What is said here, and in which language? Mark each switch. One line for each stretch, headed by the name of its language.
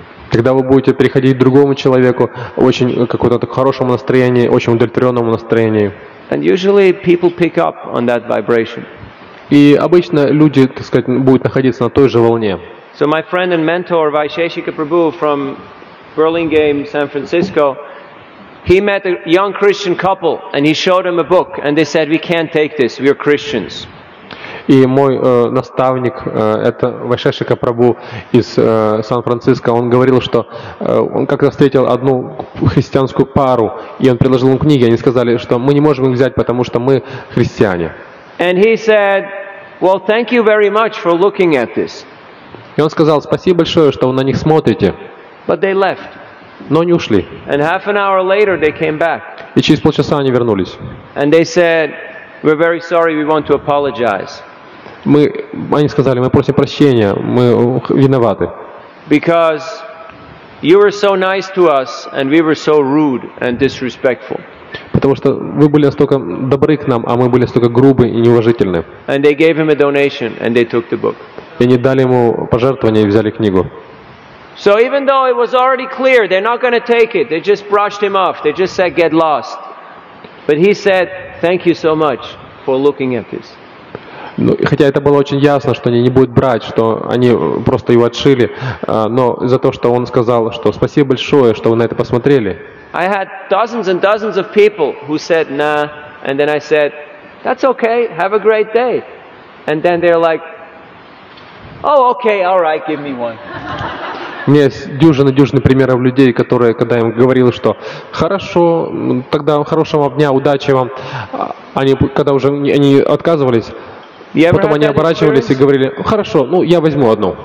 Russian: Когда вы будете переходить к другому человеку в очень каком-то хорошем настроении, очень удовлетворенном настроении.
English: And usually people pick up on that vibration.
Russian: И обычно люди, так сказать, будут находиться на той же волне.
English: So my friend and mentor Vaisheshika Prabhu from Burlingame, San Francisco. He met a young Christian couple and he showed them a book and they said, we can't take this, we are Christians.
Russian: И мой наставник, это Вайшешика Прабу из Сан-Франциско, он говорил, что он как-то встретил одну христианскую пару и он предложил им книги, они сказали, что мы не можем их взять, потому что мы христиане.
English: And he said, well, thank you very much for looking at this.
Russian: И он сказал, спасибо большое, что вы на них смотрите.
English: But they left.
Russian: Но они ушли.
English: And half an hour later they came back.
Russian: И через полчаса они вернулись.
English: And they said, we're very sorry, we want to apologize.
Russian: Мы, они сказали, мы просим прощения, мы виноваты.
English: Because you were so nice to us and we were so rude and disrespectful.
Russian: Потому что вы были настолько добры к нам, а мы были настолько грубы и неуважительны.
English: And they gave him a donation and they took the book.
Russian: И они дали ему пожертвование и взяли книгу.
English: So even though it was already clear they're not going to take it, they just brushed him off. They just said, get lost. But he said, thank you so much for looking at this.
Russian: Ну, хотя это было очень ясно, что они не будут брать, что они просто его отшили, но за то, что он сказал, что спасибо большое, что вы на это посмотрели.
English: I had dozens and dozens of people who said, nah. And then I said, that's okay, have a great day. And then they're like, oh, okay, all right, give me one.
Russian: меня есть дюжины примеров людей, которые, когда им говорил, что хорошо, тогда хорошего дня, удачи вам, они, когда уже они отказывались, потом они оборачивались
English: experience?
Russian: И говорили, хорошо, ну я возьму одну.